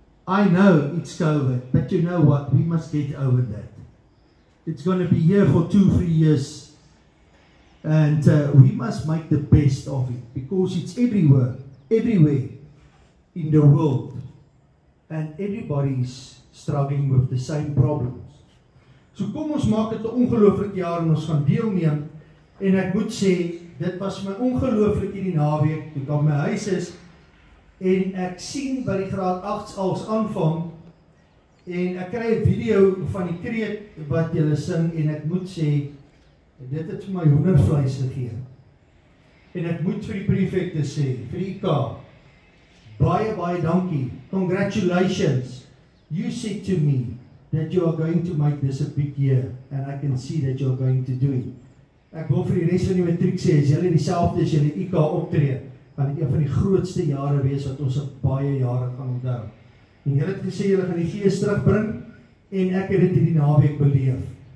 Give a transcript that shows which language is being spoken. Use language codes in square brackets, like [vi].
[en] I know it's COVID, but you know what, we must get over that. It's going to be here for 2-3 years. And we must make the best of it, because it's everywhere in the world, and everybody's struggling with the same problems. [af] So kom ons maak dit 'n ongelooflike jaar, en ons gaan deelneem. En ek moet sê, dit was my ongelooflik hierdie naweek, toe ek op my huis is, en ek sien by die graad 8's als aanvang, en ek kry 'n video van die kreet wat julle sing, en ek moet sê, en dit het vir my hoendervleis gegee. En ek moet vir die prefekte sê, vir die IK, baie, baie dankie. [en] Congratulations. You said to me that you are going to make this a big year. And I can see that you are going to do it. [af] Ek wil vir die rest van die matriek sê, as jylle die selfde as jylle IK optree, gaan dit een van die grootste jare wees, wat ons baie jare gaan onthou. En jylle het gesê, jylle gaan die gees terugbring, en ek het dit in die naweek beleef.